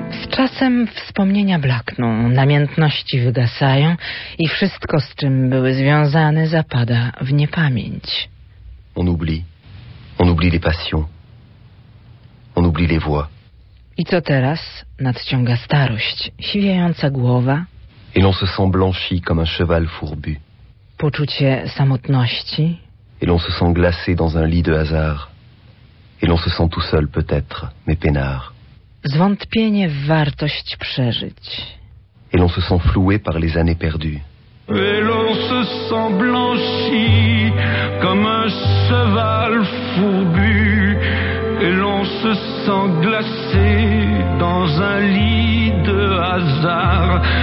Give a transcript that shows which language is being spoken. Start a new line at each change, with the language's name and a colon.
Polish: Czasem wspomnienia blakną, namiętności wygasają i wszystko, z czym były związane, zapada w niepamięć.
French: On oublie. On oublie les passions. On oublie les voix.
Polish: I co teraz? Nadciąga starość, siwiejąca głowa.
French: Et l'on se sent blanchi comme un cheval fourbu.
Polish: Poczucie samotności.
French: Et l'on se sent glacé dans un lit de hasard. Et l'on se sent tout seul peut-être, mais peinard.
Polish: Zwątpienie w wartość przeżyć.
French: Et l'on se sent floué par les années perdues. Et l'on se sent blanchi comme un cheval fourbu. Et l'on se sent glacé dans un lit de hasard.